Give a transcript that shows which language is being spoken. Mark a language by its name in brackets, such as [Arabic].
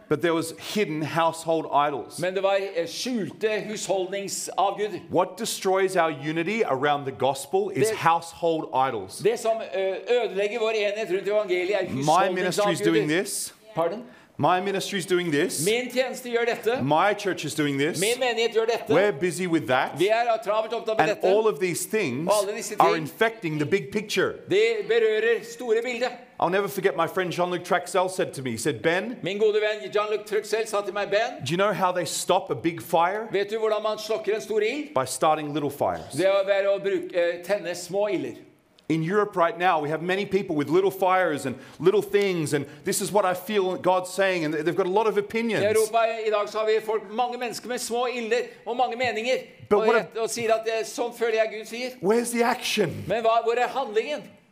[English] But there was hidden household idols. [Norwegian] Men det var skjulte husholdningsavguder. [English] What destroys our unity around the gospel is household idols. [Norwegian] Det som ødelegger vår enhet rundt evangeliet er husholdningsavguder. [English] My ministry is doing this. Pardon? My ministry is doing this. [Norwegian] Min tjeneste gjør dette. [English] My church is doing this. [Norwegian] Min menighet gjør dette. [English] We're busy with that. [Norwegian] Vi travelt opptatt med dette. [English] And all of these things are infecting the big picture. [Norwegian] De berører store bildet. [English] I'll never forget my friend Jean-Luc Traxel said to me, he said, Ben, [Norwegian] min gode venn Jean-Luc Traxel sa til meg, Ben, [English] do you know how they stop a big fire? [Norwegian] Vet du hvordan man slokker en stor ild? [English] By starting little fires. [Norwegian] Det er ved å bruke tenne små ilder. [English] In Europe right now, we have many people with little fires and little things, and this is what I feel God's saying, and they've got a lot of opinions. [Norwegian] I Europa i dag så har vi folk, mange mennesker med små ilder og mange meninger, og sier at det sånn føler jeg Gud sier. [English] Where's the action? [Norwegian] Men hvor handlingen?